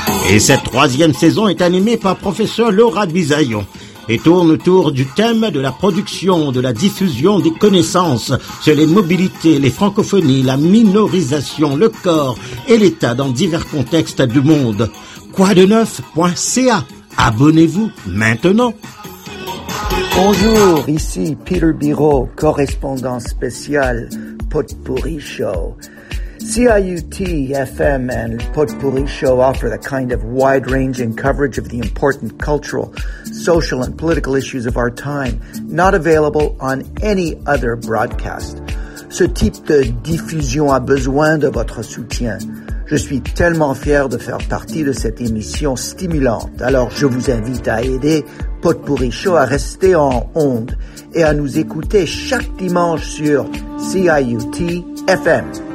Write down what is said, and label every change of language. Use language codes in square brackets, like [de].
[fr] Et cette troisième saison est animée par professeur Laura Bisaillon et tourne autour du thème de la production, de la diffusion des connaissances sur les mobilités, les francophonies, la minorisation, le corps et l'État dans divers contextes du monde. Quoideneuf.ca. Abonnez-vous maintenant. Bonjour, ici Peter Biro, correspondant spécial Potpourri Show. [en] CIUT FM and Potpourri Show offer the kind of wide-ranging coverage of the important cultural, social, and political issues of our time, not available on any other broadcast. [fr] Ce type de diffusion a besoin de votre soutien. Je suis tellement fier de faire partie de cette émission stimulante. Alors, je vous invite à aider Potpourri Show à rester en onde et à nous écouter chaque dimanche sur CIUT FM.